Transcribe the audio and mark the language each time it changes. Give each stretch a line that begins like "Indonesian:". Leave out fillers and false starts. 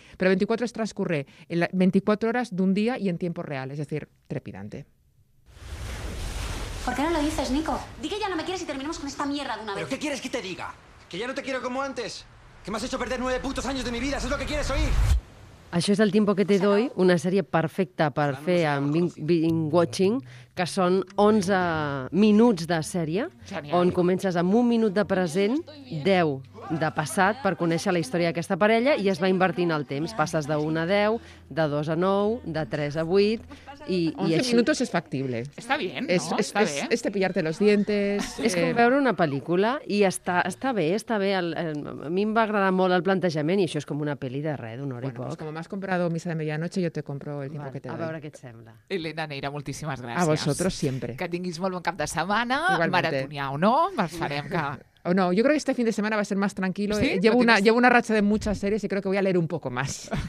Spanish: Pero 24 es transcurre en 24 horas de un día y en tiempo real, es decir, trepidante. ¿Por qué no lo dices, Nico? Di que ya no me quieres y terminemos con esta mierda de una vez. ¿Pero qué quieres que te diga? ¿Que ya no te quiero como antes? ¿Que me has hecho perder 9 putos años de mi vida? ¿Eso es lo que quieres oír?
Catalan: Això és El Tiempo que te doy, una sèrie perfecta per fer amb binge-watching, que són 11 minuts de sèrie, on comences amb un minut de present, 10 de passat, per conèixer la història d'aquesta parella, i es va invertint el temps. Passes de 1 a 10, de 2 a 9, de 3 a 8... I
Spanish: 11 minutos es factible. Está bien, ¿no? Está bien. Es de pillarte los dientes...
Catalan: És com veure una pel·lícula, i està bé. A mi em va agradar molt el plantejament, i això és com una pel·li de res, d'una hora
Spanish: bueno,
Catalan: i poc.
Spanish: Pues como me has comprado Misa de Medianoche, yo te compro El Tiempo que te doy.
Catalan: A veure què et sembla. Elena Neira, moltíssimes gràcies.
Spanish: A vosotros, siempre.
Catalan: Que tinguis molt bon cap de setmana.
Spanish: Igualmente.
Catalan: Maratonià o no, esperem que...
Spanish: O no, yo creo que este fin de semana va a ser más tranquilo. Sí, llevo una racha de muchas series y creo que voy a leer un poco más.